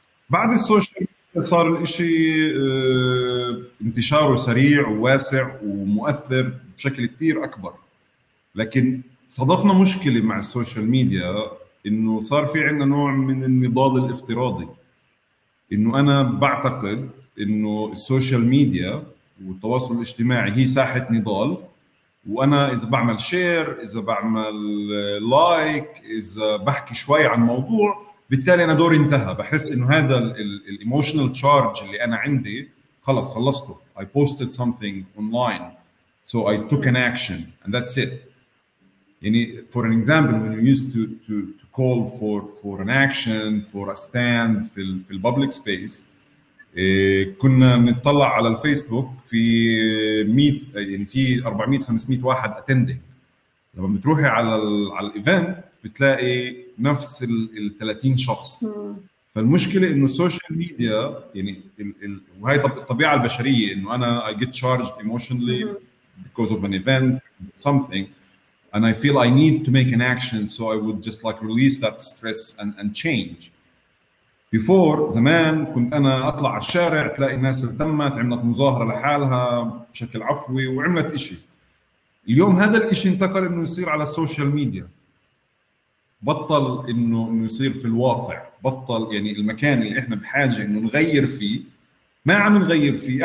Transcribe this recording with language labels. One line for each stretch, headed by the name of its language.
Arabic: بعد السوشيال صار الاشي انتشاره سريع وواسع ومؤثر بشكل كتير اكبر، لكن صادفنا مشكلة مع السوشيال ميديا، انه صار في عندنا نوع من النضال الافتراضي، انه انا بعتقد انه السوشيال ميديا والتواصل الاجتماعي هي ساحة نضال، وانا اذا بعمل شير، اذا بعمل لايك، اذا بحكي شوي عن موضوع، بالتالي انا دوري انتهى. بحس انه هذا الايموشنال تشارج اللي انا عندي خلص، خلصته.
English: I posted something online, so I took an action and that's it. يعني for an example, when you used to call for an action, for a stand في public space, كنا نطلع على الفيسبوك في 100 يعني في 400 500 واحد attending.
Arabic: لما بتروحي على الايفنت بتلاقي نفس ال 30 شخص.
English: فالمشكلة إنه السوشيال ميديا يعني وهي الطبيعة البشرية، إنه أنا I get charged emotionally because of an event something and I feel I need to make an action, so I would just like release that stress and change.
Arabic: Before زمان كنت أنا أطلع على الشارع تلاقي الناس اهتمت، عملت مظاهرة لحالها بشكل عفوي وعملت إشي. اليوم هذا الإشي انتقل إنه يصير على السوشيال ميديا، بطل انه يصير في الواقع، بطل يعني المكان اللي احنا بحاجه انه نغير فيه ما عم نغير فيه.